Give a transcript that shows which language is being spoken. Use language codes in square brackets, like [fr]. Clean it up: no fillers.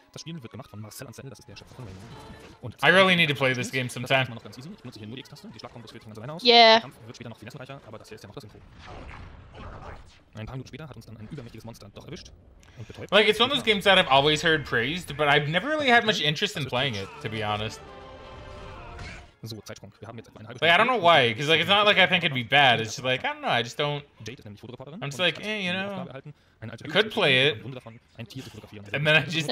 [de] Das Spiel wird gemacht von Marcel Ansel, das ist der Schöpfer von Rayman. [en] Und I really need to play this game sometime. [de] Noch ganz easy. Ich benutze hier nur die X-Taste, die Schlagkombos führt von ganz alleine aus. [en] Yeah. [de] Der Kampf wird später noch finessenreicher, aber das hier ist ja noch das Intro. Ein paar Minuten später hat uns dann ein übermächtiges Monster doch erwischt und betäubt. [en] Like, it's one of those games that I've always heard praised, but I've never really had much interest in playing it, to be honest. [de] So, Zeitsprung. Wir haben jetzt eine halbe Stunde. [en] Like, I don't know why, because like, it's not like I think it'd be bad. It's just like, I don't know, I just don't. [de] Date ist nämlich Fotografin. [en] I'm just like, eh, you know. I could play it. And then I just don't.